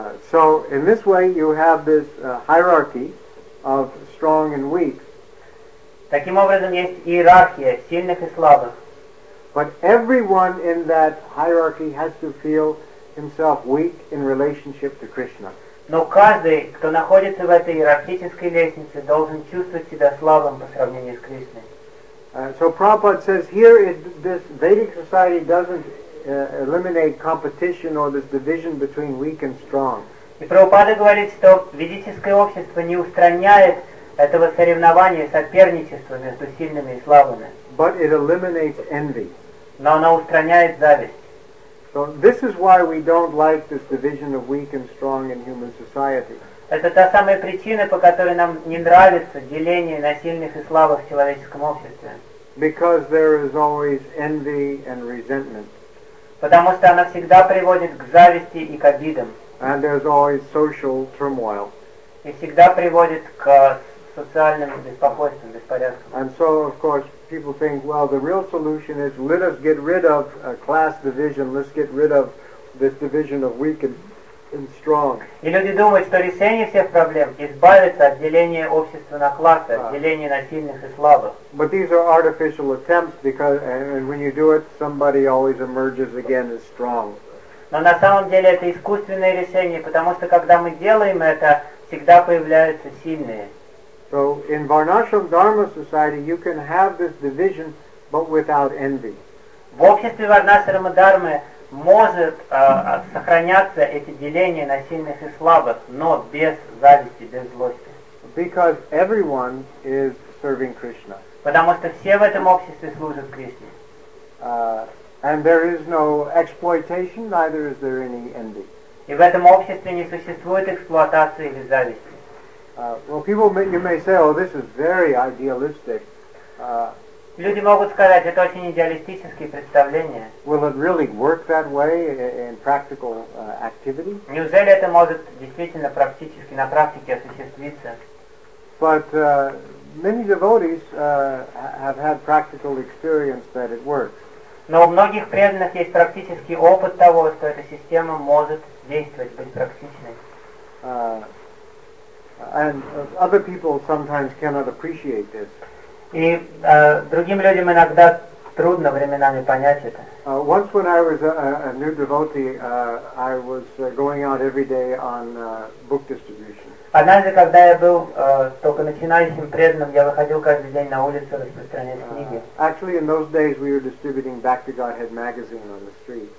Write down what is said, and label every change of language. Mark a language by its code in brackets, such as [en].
[en] So, in this way, you have this hierarchy of strong and weak. [ru] Таким образом, есть иерархия сильных и слабых. [en] But everyone in that hierarchy has to feel himself weak in relationship to Krishna. [ru] Но каждый, кто находится в этой иерархической лестнице, должен чувствовать себя слабым по сравнению с Кришной. [en] So Prabhupada says here this Vedic society doesn't eliminate competition or this division between weak and strong. [ru] И Прабхупада говорит, что ведическое общество не устраняет этого соревнования, соперничества между сильными и слабыми. [en] But it eliminates envy. [ru] Но оно устраняет зависть. [en] So this is why we don't like this division of weak and strong in human society. [ru] Это та самая причина, по которой нам не нравится деление на сильных и слабых в человеческом обществе. [en] Because there is always envy and resentment. [ru] Потому что она всегда приводит к зависти и к обидам. [en] And there's always social turmoil. [ru] И всегда приводит к социальным беспокойством, беспорядком. [en] And so, of course, people think, well, the real solution is let us get rid of class division, let's get rid of this division of weak and strong. [ru] И люди думают, что решение всех проблем избавиться от деления общества на классы, деления на сильных и слабых. [en] But these are artificial attempts because, and when you do it, somebody always emerges again as strong. [ru] Но на самом деле это искусственное решение, потому что когда мы делаем это, всегда появляются сильные. [en] So in Varnashram Dharma Society you can have this division, but without envy. [ru] В обществе Варнашрама Дармы может сохраняться эти деления на сильных и слабых, но без зависти, без злости. [en] Because everyone is serving Krishna. [ru] Потому что все в этом обществе служат Кришне. [en] And there is no exploitation, neither is there any envy. [ru] И в этом обществе не существует эксплуатации или зависти. [en] Well, people may, you may say, oh, this is very idealistic. [ru] Люди могут сказать, это очень идеалистические представления. [en] Will it really work that way in practical activity? [ru] Неужели это может действительно практически на практике осуществиться? [en] But many devotees have had practical experience that it works. [ru] Но у многих преданных есть практический опыт того, что эта система может действовать, быть практичной. [en] And other people sometimes cannot appreciate this. [ru] И другим людям иногда трудно временами понять это. [en] Once when I was a new devotee, I was going out every day on book distribution. [ru] Однажды, когда я был только начинающим преданным, я выходил каждый день на улицу распространять книги. [en] Actually, in those days we were distributing Back to Godhead magazine on the street.